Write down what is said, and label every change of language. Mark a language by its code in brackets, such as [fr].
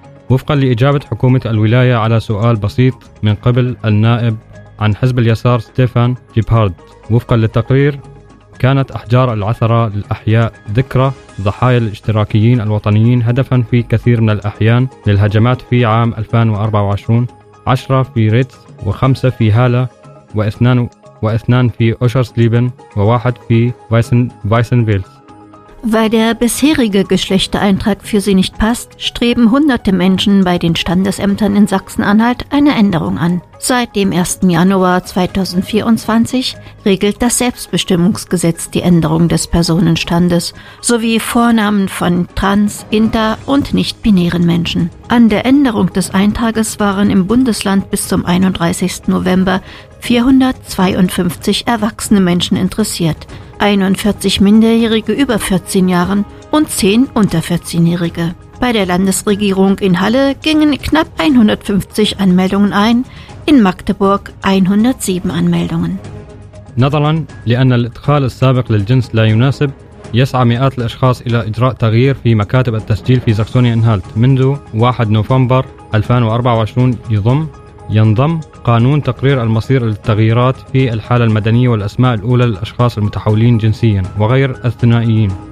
[ar] وفقا لإجابة حكومة الولاية على سؤال بسيط من قبل النائب عن حزب اليسار ستيفان جيبهارد، وفقا للتقرير كانت أحجار العثرة للأحياء ذكرى ضحايا الاشتراكيين الوطنيين هدفا في كثير من الأحيان للهجمات في عام 2024، 10 في ريتس و5 في هالة واثنان في أوشرسليبن وواحد في فايسنفيلز. [de] Weil der bisherige Geschlechtereintrag für sie nicht passt, streben hunderte Menschen bei den Standesämtern in Sachsen-Anhalt eine Änderung an. Seit dem 1. Januar 2024 regelt das Selbstbestimmungsgesetz die Änderung des Personenstandes sowie Vornamen von trans-, inter- und nicht-binären Menschen. An der Änderung des Eintrages waren im Bundesland bis zum 31. November 452 erwachsene Menschen interessiert. 41 Minderjährige über 14 Jahren und 10 unter 14-Jährige. Bei der Landesregierung in Halle gingen knapp 150 Anmeldungen ein, in Magdeburg 107 Anmeldungen. [ar] نظرا لأن الإدخال السابق للجنس لا يناسب، يسعى مئات الأشخاص إلى إجراء تغيير في مكاتب التسجيل في ساكسونيا أنهالت. منذ 1 نوفمبر 2024 ينضم قانون تقرير المصير للتغييرات في الحالة المدنية والأسماء الأولى للأشخاص المتحولين جنسيا وغير الثنائيين.